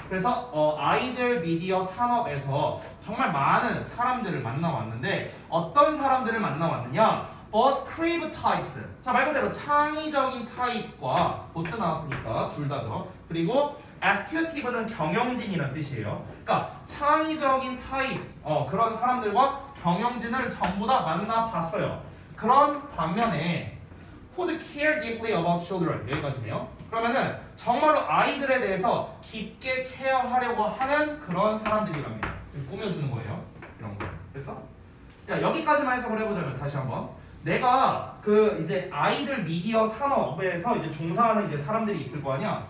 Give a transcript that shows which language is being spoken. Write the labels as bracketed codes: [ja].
[ko] 그래서 아이들 미디어 산업에서 정말 많은 사람들을 만나 왔는데 어떤 사람들을 만나 왔느냐? [en] Both creative types. [ko] 자, 말 그대로 창의적인 타입과 보스 나왔으니까 둘 다죠. 그리고 executive는 경영진이란 뜻이에요. 그러니까 창의적인 타입 그런 사람들과 경영진을 전부 다 만나 봤어요. 그런 반면에 [en] Who would care deeply about children? [ko] 여기까지네요. 그러면은 정말로 아이들에 대해서 깊게 케어하려고 하는 그런 사람들이랍니다. 꾸며주는 거예요. 이런 거. 됐어? 야, 여기까지만 해석을 해보자면 다시 한번 내가 그 이제 아이들 미디어 산업에서 이제 종사하는 이제 사람들이 있을 거 아니야.